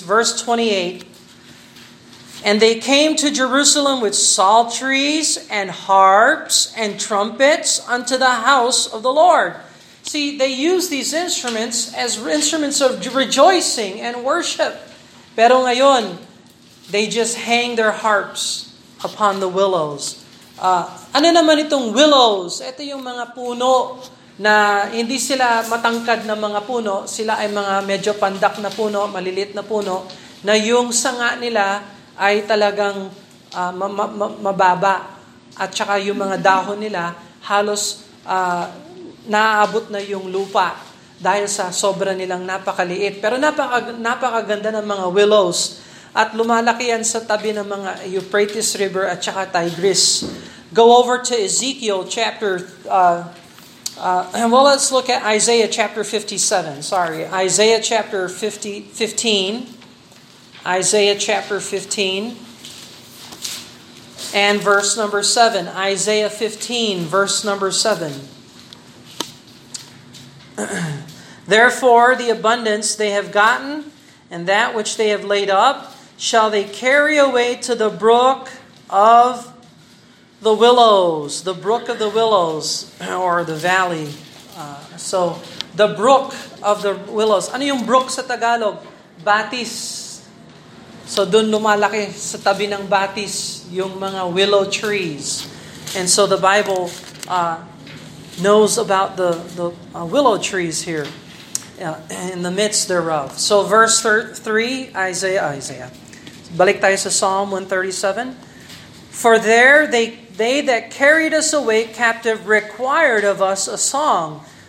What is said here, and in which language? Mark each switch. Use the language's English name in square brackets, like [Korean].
[English] Verse 28. And they came to Jerusalem with psalteries and harps and trumpets unto the house of the Lord. See, they use these instruments as instruments of rejoicing and worship. [Filipino] Pero ngayon, [English] they just hang their harps upon the willows. [Filipino] Ano naman itong willows? Ito yung mga puno na hindi sila matangkad na mga puno. Sila ay mga medyo pandak na puno, malilit na puno, na yung sanga nila ay talagang mababa. At saka yung mga dahon nila halos naaabot na yung lupa dahil sa sobra nilang napakaliit. Pero napakaganda ng mga willows. at lumalaki yan sa tabi ng mga Euphrates River at saka Tigris. [English] Go over to Ezekiel chapter, and well, let's look at Isaiah chapter 57. Sorry, Isaiah chapter 15. Isaiah chapter 15 and verse number 7. Isaiah 15, verse number 7. Therefore, the abundance they have gotten and that which they have laid up shall they carry away to the brook of the willows. The brook of the willows or the valley. So, the brook of the willows. [Filipino] Ano yung brook sa Tagalog? Batis. So, dun lumalaki sa tabi ng batis yung mga willow trees. [English] And so, the Bible knows about the willow trees here in the midst thereof. So, verse 3, Isaiah. [Filipino] Balik tayo sa [English] Psalm 137. For there they that carried us away captive required of us a song.